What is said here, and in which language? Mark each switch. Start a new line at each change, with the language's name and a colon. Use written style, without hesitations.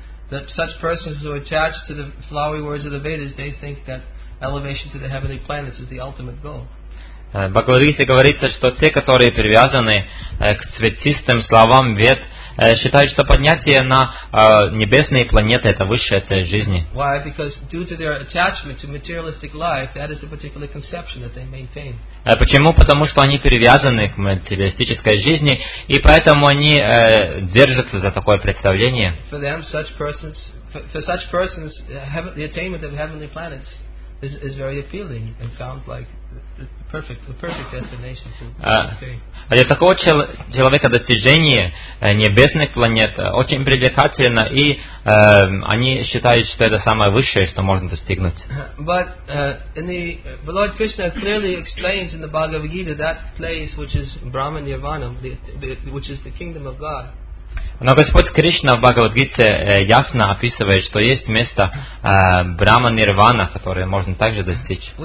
English: That such persons who are attached to the flowery words of the Vedas, they think that elevation to the heavenly planets is the ultimate goal.
Russian: Bhagavad Gita говорится, что те, которые привязаны к цветистым словам Вед, считают, что поднятие на небесные планеты – это высшая цель жизни.
English: Why? Because due to their attachment to materialistic life, that is the particular conception that they maintain.
Russian: Почему? Потому что они привязаны к материалистической жизни, и поэтому они держатся за такое представление.
English: For them, for such persons, the attainment of heavenly planets is very appealing and sounds like the perfect destination to attain.
Russian: Для такого человека достижение небесных планет очень привлекательно, и они считают, что это самое высшее, что можно достигнуть.
English: But the Lord Krishna clearly explains in the Bhagavad Gita that place which is Brahma Nirvana, which is the kingdom of God.
Russian: Но Господь Кришна в Бхагавад-гите ясно описывает, что есть место Брахма-нирвана, которое можно также достичь.